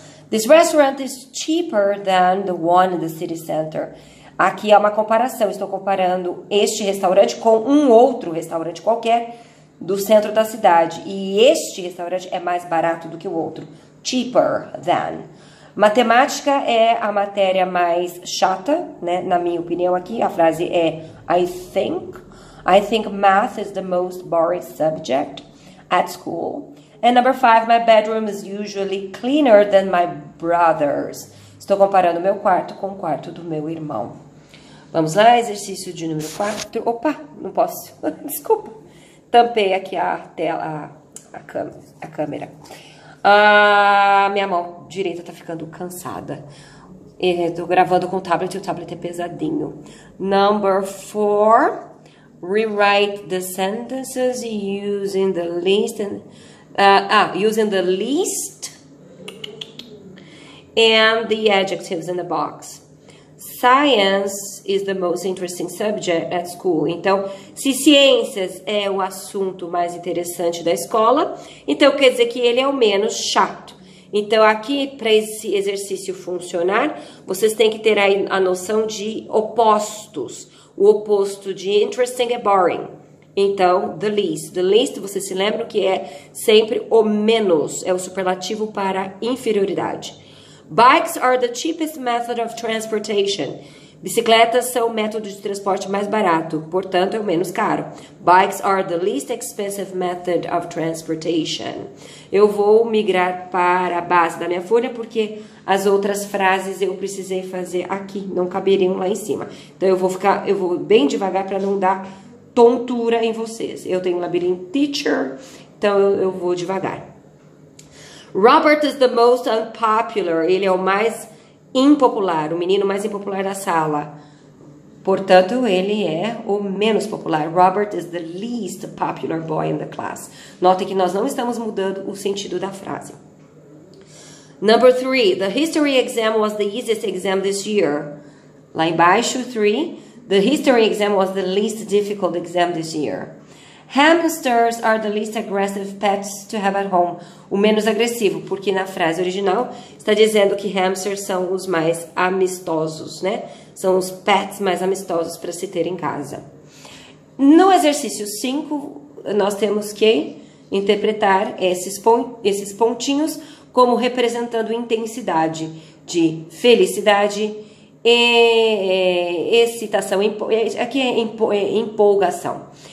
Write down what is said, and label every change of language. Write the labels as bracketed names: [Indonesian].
[English] This restaurant is cheaper than the one in the city center. [Portuguese] Aqui é uma comparação, estou comparando este restaurante com um outro restaurante qualquer do centro da cidade. E este restaurante é mais barato do que o outro. [English] Cheaper than. [Portuguese] Matemática é a matéria mais chata, né? Na minha opinião aqui. A frase é [English] I think math is the most boring subject at school. And number five, my bedroom is usually cleaner than my brother's. [Portuguese] Estou comparando meu quarto com o quarto do meu irmão. Vamos lá, exercício de número 4. Opa, não posso. Desculpa. Tampei aqui a tela, a câmera. Ah, minha mão direita tá ficando cansada. Estou gravando com o tablet e o tablet é pesadinho. [English] Number four. Rewrite the sentences using the least and using the least and the adjectives in the box. Science is the most interesting subject at school. [Portuguese] Então, se ciências é o assunto mais interessante da escola, então quer dizer que ele é o menos chato. Então, aqui, para esse exercício funcionar, vocês têm que ter aí a noção de opostos. O oposto de interesting é boring. Então, the least. The least, vocês se lembram que é sempre o menos. É o superlativo para inferioridade. [English] Bikes are the cheapest method of transportation. [Portuguese] Bicicletas são o método de transporte mais barato, portanto, é o menos caro. [English] Bikes are the least expensive method of transportation. [Portuguese] Eu vou migrar para a base da minha folha, porque as outras frases eu precisei fazer aqui, não caberiam lá em cima. Então, eu vou bem devagar para não dar tontura em vocês. Eu tenho um labirinto teacher, então eu vou devagar. [English] Robert is the most unpopular. [Portuguese] Ele é o mais impopular, o menino mais impopular da sala. Portanto, ele é o menos popular. [English] Robert is the least popular boy in the class. [Portuguese] Notem que nós não estamos mudando o sentido da frase. [English] Number 3. The history exam was the easiest exam this year. [Portuguese] Lá embaixo, 3. [English] The history exam was the least difficult exam this year. Hamsters are the least aggressive pets to have at home. [Portuguese] O menos agressivo, porque na frase original está dizendo que hamsters são os mais amistosos, né? São os pets mais amistosos para se ter em casa. No exercício 5, nós temos que interpretar esses pontinhos como representando intensidade de felicidade e excitação, aqui é empolgação.